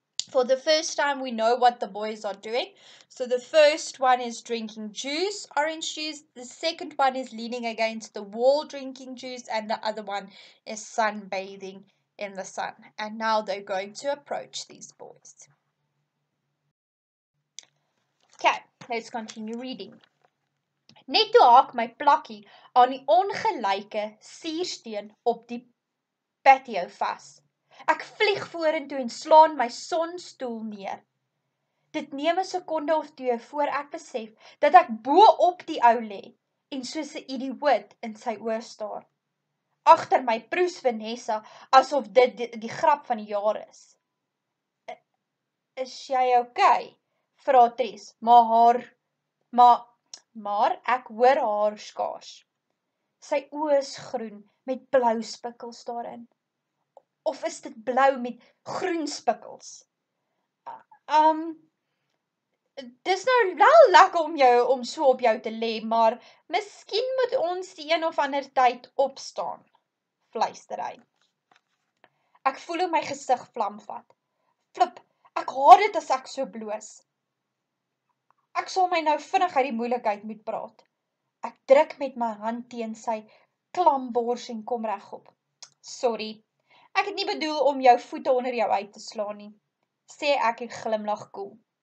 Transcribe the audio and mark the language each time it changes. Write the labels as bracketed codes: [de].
[en] For the first time, we know what the boys are doing. So the first one is drinking juice, orange juice. The second one is leaning against the wall drinking juice. And the other one is sunbathing in the sun. And now they're going to approach these boys. Okay, let's continue reading. [af] Net toe haak my plakkie aan die ongelyke suursteen op die patio vas. Ek vlieg vorentoe en slaan my sonstoel neer. Dit neem 'n sekonde of twee voor ek besef dat ek bo op die ou lê en soos 'n idioot in sy oor staar. Agter my proes Vanessa asof dit die grap van die jaar is. Is jy okay? Vra Tries, maar ek hoor haar skaars. Sy oë is groen met blou spikkels daarin. Of is dit blou met groen spikkels? Dis nou wel lekker om so op jou te lê, maar miskien moet ons die een of ander tyd opstaan, fluister hy. Ek voel my gesig vlam vat. Flip, ek haat dit as ek so bloos. Ek sal my nou vinnig uit die moeilikheid moet praat. Ek druk met my hand teen sy klam bors en kom regop. Sorry. Ek het nie bedoel om jou voete onder jou uit te slaan nie, sê ek en glimlag koel.